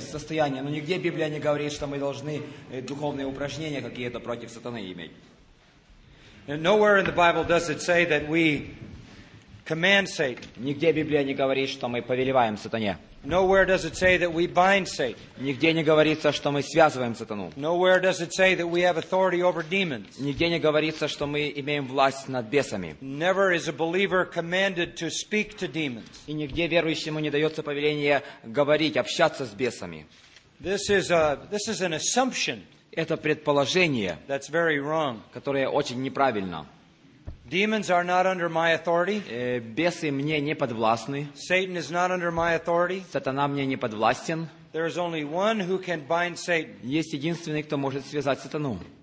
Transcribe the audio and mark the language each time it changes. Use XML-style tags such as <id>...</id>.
<ru>Состояние, но нигде Библия не говорит, что мы должны духовные упражнения какие-то против сатаны иметь.</ru> <en>And nowhere in the Bible does it say that we command Satan.</en> <ru>Нигде Библия не говорит, что мы повелеваем сатане.</ru> <en>Nowhere does it say that we bind Satan.</en> <ru>Нигде не говорится, что мы связываем сатану.</ru> <en>Nowhere does it say that we have authority over demons.</en> <ru>Нигде не говорится, что мы имеем власть над бесами.</ru> <en>Never is a believer commanded to speak to demons.</en> <ru>И нигде верующему не дается повеление говорить, общаться с бесами.</ru> <en>This is an assumption.</en> <ru>Это предположение.</ru> <en>That's very wrong.</en> <ru>Которое очень неправильно.</ru> <en>Demons are not under my authority.</en> <ru>Бесы мне не подвластны.</ru> <en>Satan is not under my authority.</en> <ru>Сатана мне не подвластен.</ru> <en>There is only one who can bind Satan.</en> <ru>Есть единственный, кто может связать сатану.</ru>